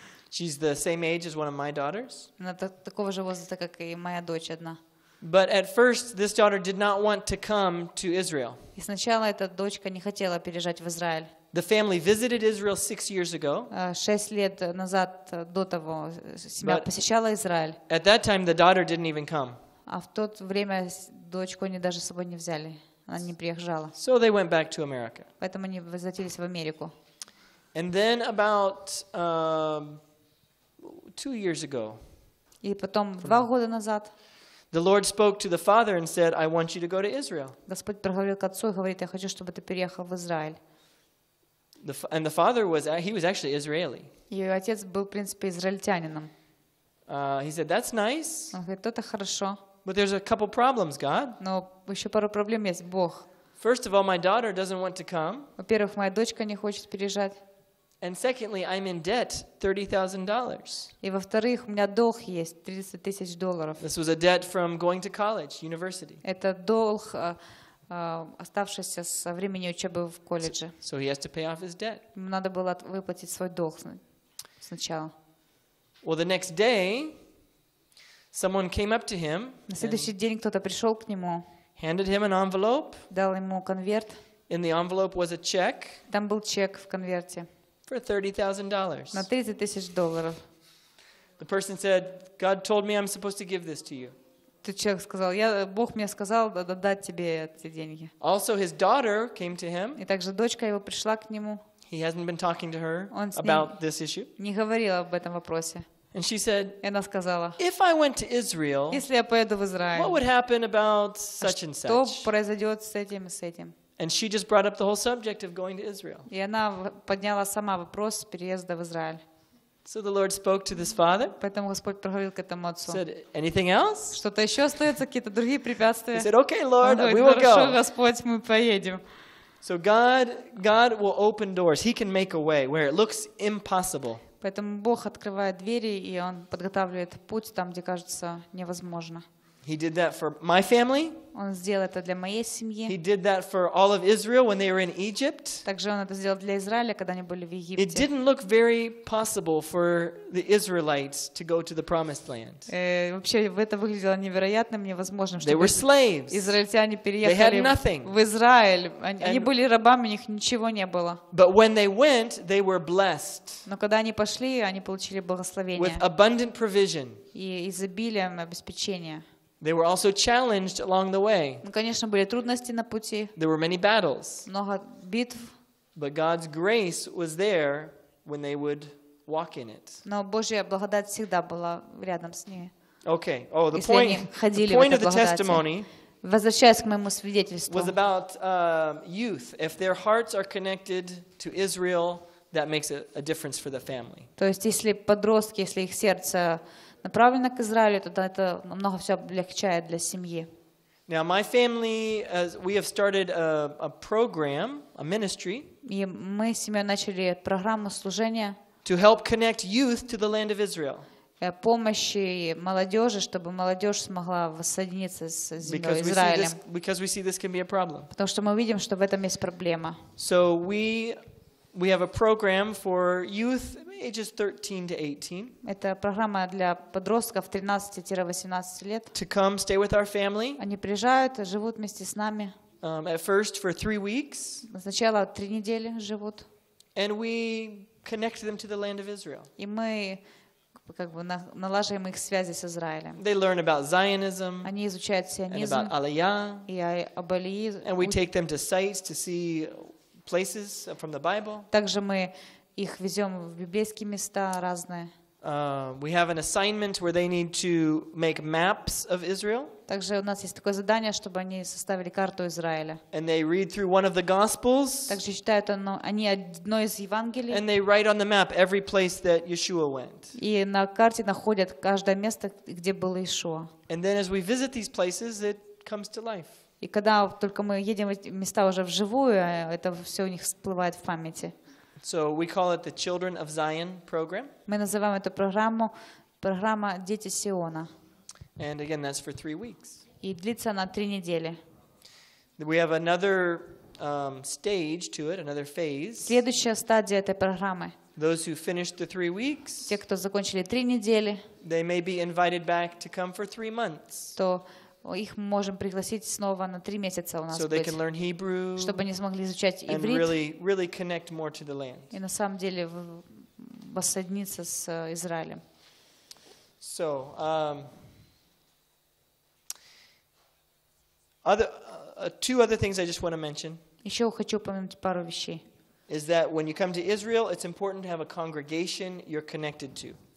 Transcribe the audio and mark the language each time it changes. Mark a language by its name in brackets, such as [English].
[English] She's the same age as one of my daughters. [Russian] Она такого же возраста, как и моя дочь одна. [English] But at first, this daughter did not want to come to Israel. [Russian] И сначала эта дочка не хотела переезжать в Израиль. [English] The family visited Israel 6 years ago. [Russian] 6 лет назад до того семья посещала Израиль. [English] At that time, the daughter didn't even come. [Russian] А в тот время дочку они даже с собой не взяли, она не приезжала. [English] So they went back to America. [Russian] Поэтому они возвратились в Америку. [English] And then about 2 years ago. [Russian] И потом 2 года назад. [English] The Lord spoke to the father and said, "I want you to go to Israel." [Russian] Господь проговорил к отцу и говорит, я хочу, чтобы ты переехал в Израиль. [English] And the father was actually Israeli. [Russian] И отец был, в принципе, израильтянином. [English] He said, "That's nice." [Russian] Он говорит, это хорошо. [English] But there's a couple problems, God. [Russian] Но еще пару проблем есть, Бог. [English] First of all, my daughter doesn't want to come. [Russian] Во-первых, моя дочка не хочет переезжать. [English] And secondly, I'm in debt $30,000. [Russian] И во-вторых, у меня долг есть $30,000. [English] This was a debt from going to college, university. [Russian] Это долг, оставшийся со времени учебы в колледже. [English] So he has to pay off his debt. [Russian] Ему надо было выплатить свой долг сначала. [English] Well, the next day, someone came up to him. [Russian] На следующий день кто-то пришел к нему. [English] Handed him an envelope. [Russian] Дал ему конверт. [English] In the envelope was a check. [Russian] Там был чек в конверте. [English] For $30,000. [Russian] На 30 тысяч долларов. [English] The person said, "God told me I'm supposed to give this to you." [Russian] что человек сказал, я, Бог мне сказал дать тебе эти деньги. [English] Also his daughter came to him. [Russian] И также дочка его пришла к нему. [English] He hasn't been talking to her about this issue. [Russian] Не говорил об этом вопросе. [English] And she said, [Russian] она сказала, [English] if I went to Israel, [Russian] если я поеду в Израиль, [English] what would happen about such and such? [Russian] Что произойдет с этим и с этим? [English] And she just brought up the whole subject of going to Israel. [Russian] И она подняла сама вопрос переезда в Израиль. [English] So the Lord spoke to this father. [Russian] Поэтому Господь проговорил к этому отцу. [English] Said anything else? [Russian] Что-то еще остается, какие-то другие препятствия? [English] He said, "Okay, Lord, [Russian] говорит, [English] we will go." [Russian] Хорошо, Господь, мы поедем. [English] So God will open doors. He can make a way where it looks impossible. [Russian] Поэтому Бог открывает двери, и он подготавливает путь там, где кажется невозможно. [English] He did that for my family. [Russian] Он сделал это для моей семьи. [English] He did that for all of Israel when they were in Egypt. [Russian] Также он это сделал для Израиля, когда они были в Египте. [English] It didn't look very possible for the Israelites to go to the promised land. [Russian] Вообще это выглядело невероятным, невозможным, что израильтяне переехали в Израиль. Они были рабами, у них ничего не было. [English] But when they went, they were blessed. [Russian] Но когда они пошли, они получили благословение. [English] With abundant provision. [Russian] И изобилием обеспечения. [English] They were also challenged along the way. [Russian] Ну, конечно, были трудности на пути. [English] There were many battles. [Russian] Много битв. [English] But God's grace was there when they would walk in it. [Russian] Но Божья благодать всегда была рядом с ними. [English] Okay. Oh, the point. The point of the testimony. [Russian] Возвращаясь к моему свидетельству. [English] Was about youth. If their hearts are connected to Israel, that makes a difference for the family. [Russian] То есть, если подростки, если их сердце направлено к Израилю, тогда это намного все облегчает для семьи. [English] Now my family, as we have started a program, a ministry. [Russian] И мы с семьей начали программу служения. [English] To help connect youth to the land of Israel. [Russian] Помощи молодежи, чтобы молодежь смогла воссоединиться с землей Израилем. [English] Because we see this can be a problem. [Russian] Потому что мы видим, что в этом есть проблема. [English] So we have a program for youth. Ages 13 to 18. [Russian] Это программа для подростков 13-18 лет. [English] To come, stay with our family. [Russian] Они приезжают, живут вместе с нами. [English] At first for 3 weeks. [Russian] Сначала 3 недели живут. [English] And we connect them to the land of Israel. [Russian] И мы как бы налаживаем их связи с Израилем. [English] They learn about Zionism. [Russian] Они изучают сионизм. [English] And about Алия. [Russian] И об Алии. [English] And we take them to sites to see places from the Bible. [Russian] Также мы их везем в библейские места разные. [English] We have an assignment where they need to make maps of Israel. [Russian] Также у нас есть такое задание, чтобы они составили карту Израиля. [English] And they read through one of the Gospels. [Russian] Также читают они одно из Евангелий. [English] And they write on the map every place that Yeshua went. [Russian] И на карте находят каждое место, где был Иешуа. [English] And then as we visit these places, it comes to life. [Russian] И когда только мы едем в эти места уже вживую, это все у них всплывает в памяти. [English] So we call it the Children of Zion program. [Russian] Мы называем эту программу программа Дети Сиона. [English] And again, that's for 3 weeks. [Russian] И длится она 3 недели. [English] We have another stage to it, another phase. [Russian] Следующая стадия этой программы. [English] Those who finished the 3 weeks. [Russian] Те, кто закончили 3 недели. [English] They may be invited back to come for 3 months. [Russian] То их мы можем пригласить снова на 3 месяца у нас [English] so [Russian] быть, [English] they can learn Hebrew, [Russian] чтобы они смогли изучать иврит [English] and really connect more to the land. [Russian] И на самом деле воссоединиться с Израилем. [English] So, two other things I just want to mention. [Russian] Еще хочу упомянуть пару вещей. [English] Is that when you come to Israel, it's important to have a congregation you're connected to.